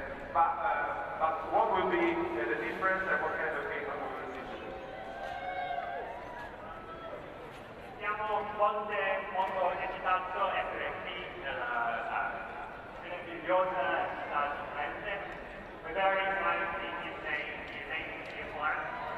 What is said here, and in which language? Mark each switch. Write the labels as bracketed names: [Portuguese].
[English] But what would be the difference and what kind of game would we see? [Italian] Siamo molto, molto eccitati a essere qui nella meravigliosa città di Firenze. [English] We're very excited to see you today in the amazing city of Florence.